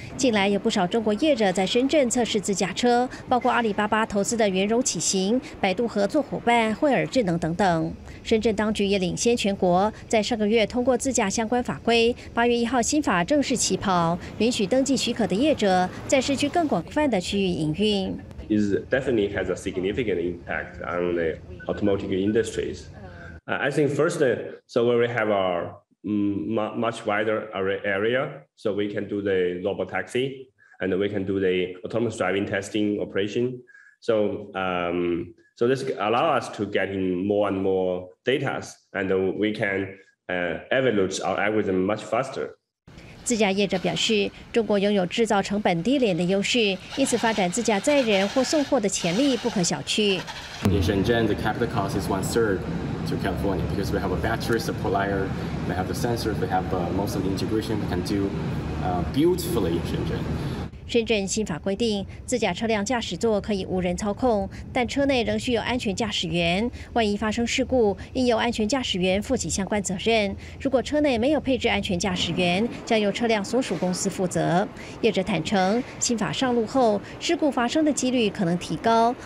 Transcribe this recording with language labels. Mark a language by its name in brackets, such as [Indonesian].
[Chinese] 近来有不少中国业者在深圳测试自驾车，包括阿里巴巴投资的圆融启行、百度合作伙伴惠尔智能等等。深圳当局也领先全国，在上个月通过自驾相关法规，八月一号新法正式起跑，允许登记许可的业者在市区更广泛的区域营运。 [English] Is definitely has a significant impact on the automotive industries. I think first, so we have our much wider area, so we can do the robotaxi and we can do the autonomous driving testing operation. So, so this allows us to get in more and more data, and we can evaluate our algorithm much faster. [Chinese] 自驾业者表示，中国拥有制造成本低廉的优势，因此发展自驾载人或送货的潜力不可小觑。 [English] In Shenzhen, the capital cost is one third to California because we have a battery supplier, we have the sensors, we have most of the integration we can do beautifully in Shenzhen. [Chinese] 深圳新法规定，自驾车辆驾驶座可以无人操控，但车内仍需有安全驾驶员。万一发生事故，应由安全驾驶员负起相关责任。如果车内没有配置安全驾驶员，将由车辆所属公司负责。业者坦承，新法上路后，事故发生的几率可能提高。